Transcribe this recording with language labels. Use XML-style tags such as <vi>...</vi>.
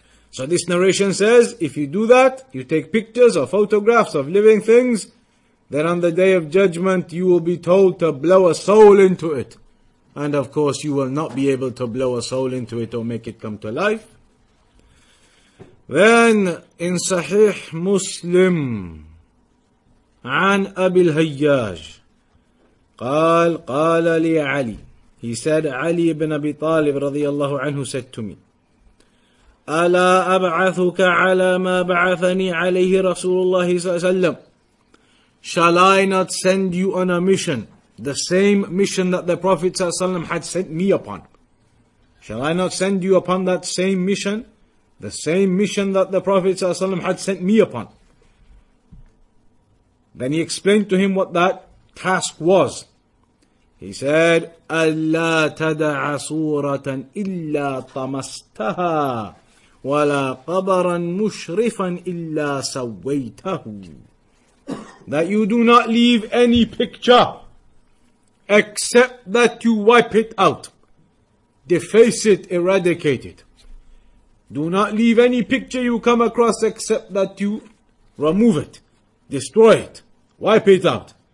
<en>So this narration says, if you do that, you take pictures or photographs of living things, then on the day of judgment you will be told to blow a soul into it. And of course, you will not be able to blow a soul into it or make it come to life. Then, in Sahih Muslim,</en> <ar>عن أبي الهياج, قال, قال لي علي,</ar> <en>he said,</en> <ar>علي بن أبي طالب رضي الله عنه</ar> <en>said to me,</en> <ar>ألا أبعثك على ما بعثني عليه رسول الله صلى الله عليه وسلم?</ar> <en>Shall I not send you on a mission? The same mission that the Prophet ﷺ had sent me upon. Shall I not send you upon that same mission? The same mission that the Prophet ﷺ had sent me upon. Then he explained to him what that task was. He said,</en> <ar>أَلَّا تَدَعَ سُورَةً إِلَّا طَمَسْتَهَا وَلَا قَبَرًا مُشْرِفًا إِلَّا سَوَّيْتَهُ.</ar> <en>That you do not leave any picture except that you wipe it out, deface it, eradicate it. Do not leave any picture you come across except that you remove it, destroy it, wipe it out.</en>